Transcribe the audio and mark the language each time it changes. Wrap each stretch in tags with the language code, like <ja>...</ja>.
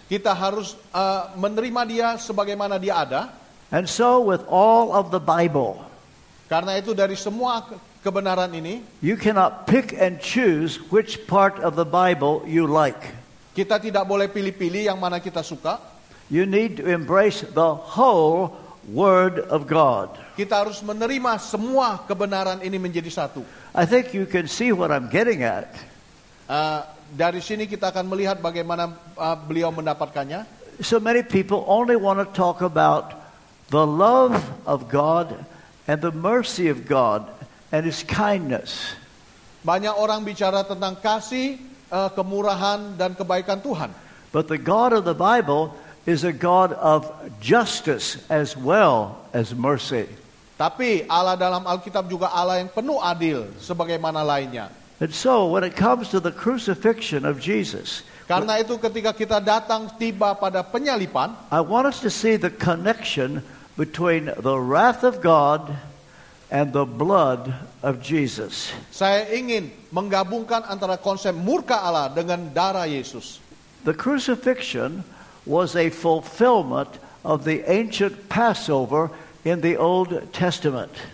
<id>Kita harus menerima dia sebagaimana dia ada.</id> <en>And so with all of the Bible.</en> <id>Karena itu dari semua kebenaran ini,</id> <en>you cannot pick and choose which part of the Bible you like.</en> <id>Kita tidak boleh pilih-pilih yang mana kita suka.</id> <en>You need to embrace the whole word of God.</en> <id>Kita harus menerima semua kebenaran ini menjadi satu.</id> <en>I think you can see what I'm getting at.</en> <id>Dari sini kita akan melihat bagaimana beliau mendapatkannya.</id> <en>So many people only want to talk about the love of God and the mercy of God and his kindness.</en> <id>Banyak orang bicara tentang kasih, kemurahan dan kebaikan Tuhan.</id> <en>But the God of the Bible is a God of justice as well as mercy.</en> <id>Tapi Allah dalam Alkitab juga Allah yang penuh adil sebagaimana lainnya.</id> <en>And so when it comes to the crucifixion of Jesus,</en> <id>karena itu ketika kita datang tiba pada penyalipan,</id> <en>I want us to see the connection between the wrath of God and the blood of Jesus.</en> <id>Saya ingin menggabungkan antara konsep murka Allah dengan darah Yesus.</id> <en>The crucifixion was a fulfillment of the ancient Passover in the Old Testament.</en>